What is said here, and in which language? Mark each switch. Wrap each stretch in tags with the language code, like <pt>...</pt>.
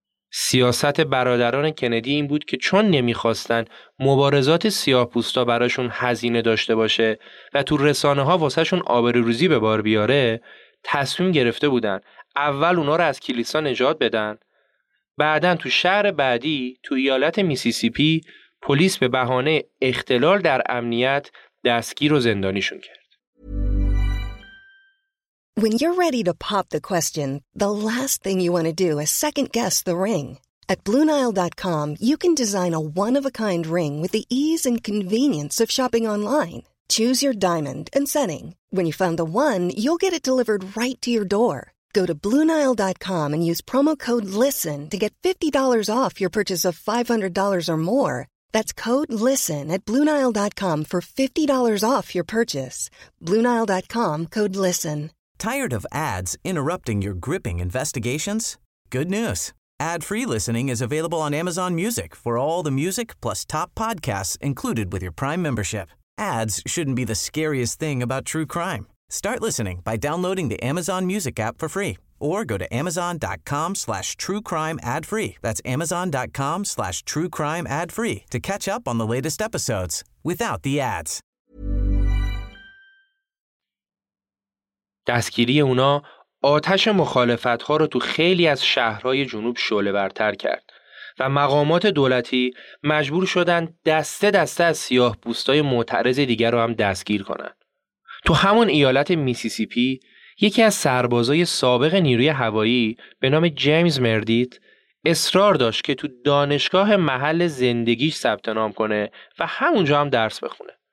<fa>سیاست برادران کندی این بود که چون نمیخواستن مبارزات سیاه‌پوستا براشون هزینه داشته باشه و تو رسانه‌ها واسهشون آبروریزی به بار بیاره، تصمیم گرفته بودن اول اونا رو از کلیسا نجات بدن، بعدن تو شهر بعدی تو ایالت میسیسیپی پلیس به بهانه اختلال در امنیت دستگیر و زندانیشون کرد.</fa> <en>When you're ready to pop the question, the last thing you want to do is second guess the ring. At BlueNile.com, you can design a one-of-a-kind ring with the ease and convenience of shopping online. Choose your diamond and setting. When you find the one, you'll get it delivered right to your door. Go to BlueNile.com and use promo code LISTEN to get $50 off your purchase of $500 or more. That's code LISTEN at BlueNile.com for $50 off your purchase. BlueNile.com, code LISTEN. Tired of ads interrupting your gripping investigations? Good news. Ad-free listening is available on Amazon Music for all the music plus top podcasts included with your Prime membership. Ads shouldn't be the scariest thing about true crime. Start listening by downloading the Amazon Music app for free or go to amazon.com/truecrimeadfree. That's amazon.com/truecrimeadfree to catch up on the latest episodes without the ads.</en> <fa>دستگیری اونا آتش مخالفت‌ها را تو خیلی از شهرهای جنوب شعله برتر کرد و مقامات دولتی مجبور شدند دسته دسته از سیاه‌پوستای معترض دیگر را هم دستگیر کنند. تو همون ایالت میسیسیپی یکی از سربازای سابق نیروی هوایی به نام جیمز مردیت اصرار داشت که تو دانشگاه محل زندگیش ثبت نام کنه و همونجا هم درس بخونه.</fa>